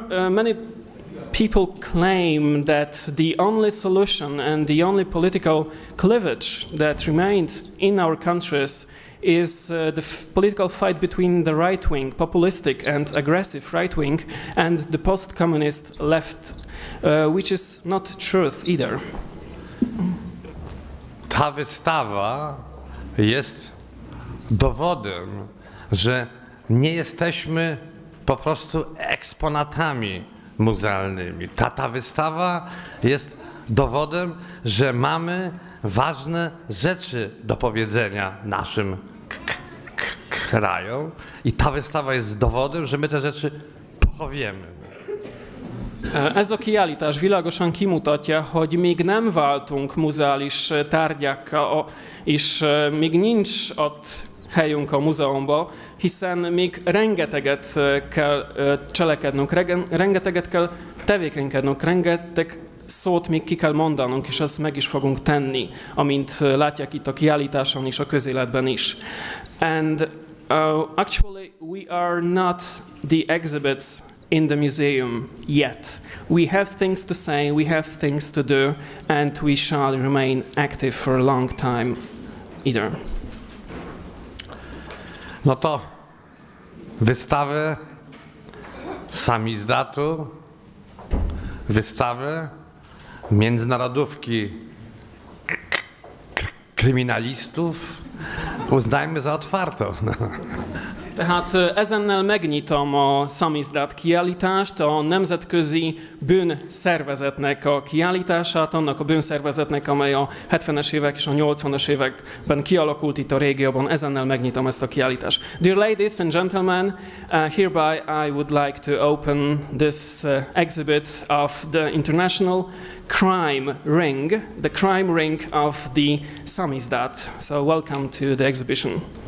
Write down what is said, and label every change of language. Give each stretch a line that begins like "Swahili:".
English: Many people claim that the only solution and the only political cleavage that remained in our countries is the political fight between the right-wing, populistic and aggressive right-wing, and the post-communist left, which is not truth either.
Polish: Ta wystawa jest dowodem, że nie jesteśmy po prostu eksponatami muzealnymi. Ta wystawa jest dowodem, że mamy ważne rzeczy do powiedzenia naszym krajom i ta wystawa jest dowodem, że my te rzeczy powiemy.
Hungarian: Ez a kiállítás világosan kimutatja, hogy még nem váltunk muzeális tárgyakkal, és még nincs ott helyünk a múzeumba, hiszen még rengeteget kell cselekednünk, rengeteget kell tevékenykednünk, rengeteg szót még ki kell mondanunk, és ezt meg is fogunk tenni, amint látják itt a kiállításon és a közéletben is.
English: And actually, we are not the exhibits in the museum yet. We have things to say, we have things to do, and we shall remain active for a long time either.
Polish: No to wystawę Samizdatu, wystawę międzynarodówki kryminalistów uznajmy za otwartą.
Hungarian: Tehát ezennel megnyitom a Samizdat kiállítást, a nemzetközi bűnszervezetnek a kiállítását, annak a bűnszervezetnek, amely a 70-es évek és a 80-as években kialakult itt a régióban. Ezennel megnyitom ezt a kiállítást.
English: Dear ladies and gentlemen, hereby I would like to open this exhibit of the international crime ring, the crime ring of the Samizdat. So welcome to the exhibition.